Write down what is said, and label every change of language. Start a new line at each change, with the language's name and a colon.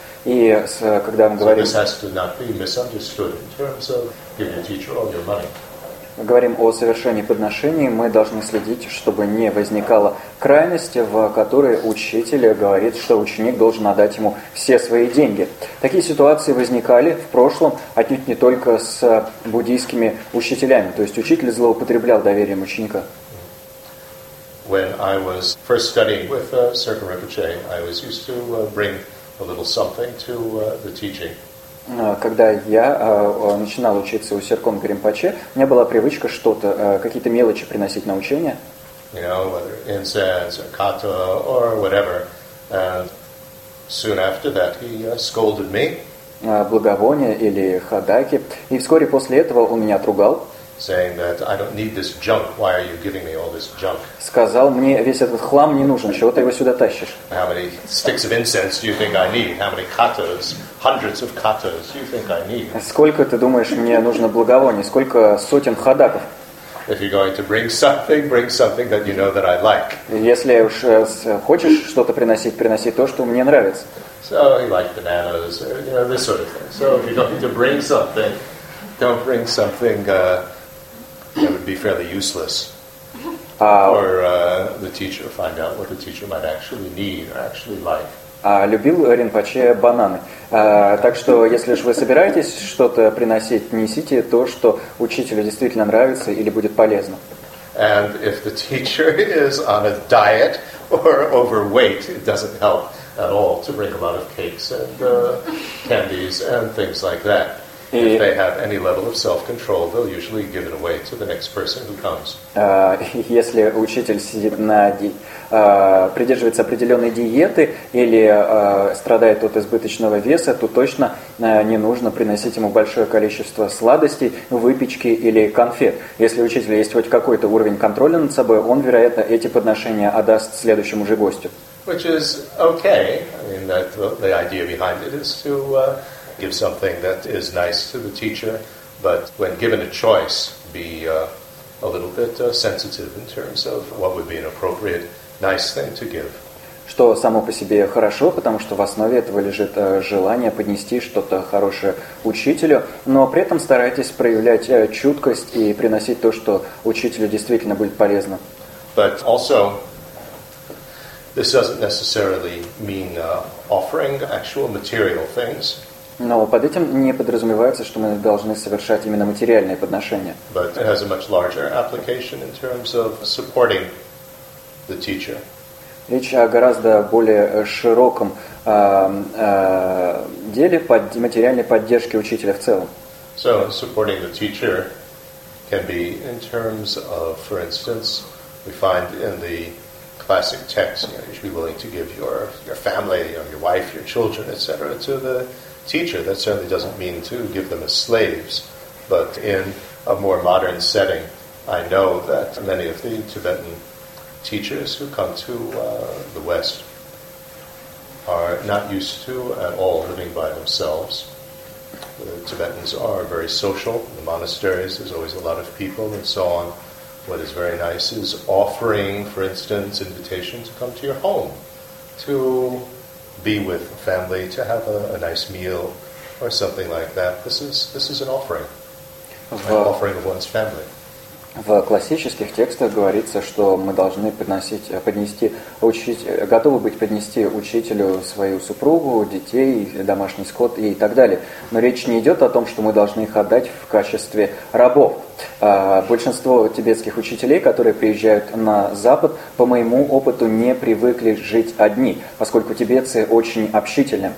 English: Yes,
Russian: когда мы говорим...
English: So this has to not be misunderstood in terms of giving a teacher all your money.
Russian: Говорим о совершении подношений, мы должны следить, чтобы не возникало крайности, в которой учитель говорит, что ученик должен отдать ему все свои деньги. Такие ситуации возникали в прошлом отнюдь не только с буддийскими учителями. То есть учитель злоупотреблял доверием ученика.
English: When I was first studying with Sirkin Rinpoche, I was used to bring a little something to the teaching.
Russian: Когда я начинал учиться у Серком Гримпаче, у меня была привычка что-то, какие-то мелочи приносить на учение.
English: You know, whether incense or kata or whatever. And soon after that he scolded me.
Russian: Благовония или хадаки. И вскоре после этого он меня отругал.
English: Saying that I don't need this junk. Why are you giving me all this junk?
Russian: Сказал мне, весь этот хлам не нужен. Чего ты его сюда тащишь?
English: How many sticks of incense do you think I need? How many katas? Hundreds of katas do you think I need?
Russian: Сколько ты думаешь мне нужно благовоний? Сколько сотен хадаков?
English: If you're going to bring something that you know that I like.
Russian: Если уж хочешь что-то приносить, приноси то, что мне нравится.
English: So he liked bananas, or, you know, this sort of thing. So if you're going to bring something. Don't bring something that would be fairly useless. Or the teacher find out what the teacher might actually need or actually like.
Russian: Любил Ринпоче бананы. Так что, если же вы собираетесь что-то приносить, несите то, что учителю действительно нравится или будет полезно.
English: And if the teacher is on a diet or overweight, it doesn't help at all to bring a lot of cakes and candies and things like that. if they have any level of self-control, they'll usually give it away to the next person who comes.
Russian: Если учитель сидит на придерживается определенной диеты или страдает от избыточного веса, то точно не нужно приносить ему большое количество сладостей, выпечки или конфет. Если у учителя есть хоть какой-то уровень контроля над собой, он, вероятно, эти подношения отдаст следующему же гостю.
English: Which is okay. I mean, that the idea behind it is to give something that is nice to the teacher, but when given a choice, be a little bit sensitive in terms of what would be an appropriate nice thing to give.
Russian: Что само по себе хорошо, потому что в основе этого лежит желание поднести что-то хорошее учителю, но при этом старайтесь проявлять чуткость и приносить то, что учителю действительно будет полезно.
English: But also, this doesn't necessarily mean offering actual material things.
Russian: Но под этим не подразумевается, что мы должны совершать именно материальные подношения.
English: But it has a much larger application in terms of supporting the teacher.
Russian: Речь о гораздо более широком деле под материальной поддержки учителя в целом.
English: So supporting the teacher can be in terms of, for instance, we find in the classic texts, you know, you should be willing to give your family, you know, your wife, your children, etc., to the teacher. That certainly doesn't mean to give them as slaves, but in a more modern setting, I know that many of the Tibetan teachers who come to the West are not used to at all living by themselves. The Tibetans are very social. In the monasteries, there's always a lot of people and so on. What is very nice is offering, for instance, invitation to come to your home, to be with family, to have a nice meal or something like that. This is an offering, an offering of one's family.
Russian: В классических текстах говорится, что мы должны готовы быть поднести учителю свою супругу, детей, домашний скот и так далее. Но речь не идет о том, что мы должны их отдать в качестве рабов. Большинство тибетских учителей, которые приезжают на Запад, по моему опыту, не привыкли жить одни, поскольку тибетцы очень общительны.